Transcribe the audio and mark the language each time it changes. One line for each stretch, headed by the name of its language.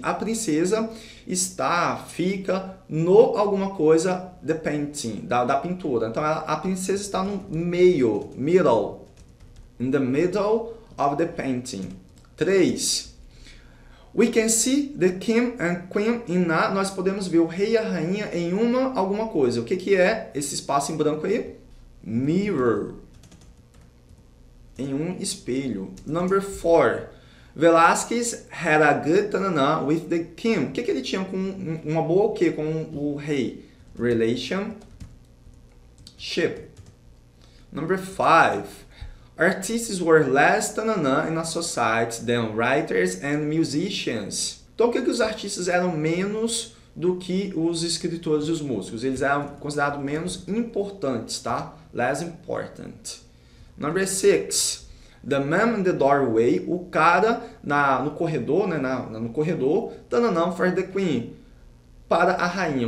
Portuguese: A princesa fica no alguma coisa
English: the painting,
Portuguese: da pintura. Então, a princesa está no meio, middle.
English: In the middle of the painting. 3. We can see the king and queen in a...
Portuguese: Nós podemos ver o rei e a rainha em uma alguma coisa. O que é esse espaço em branco aí? Mirror. Em um espelho.
English: Number 4. Velázquez had a good tanana with the king.
Portuguese: O que ele tinha com uma boa o quê? Com o rei? Relationship.
English: Number 5. Artists were less tanana in a society than writers and musicians.
Portuguese: Então, o que os artistas eram menos do que os escritores e os músicos? Eles eram considerados menos importantes, tá?
English: Less important. Number 6. The man in the doorway,
Portuguese: o cara no corredor,
English: né, no corredor, tananã for the queen,
Portuguese: para a rainha.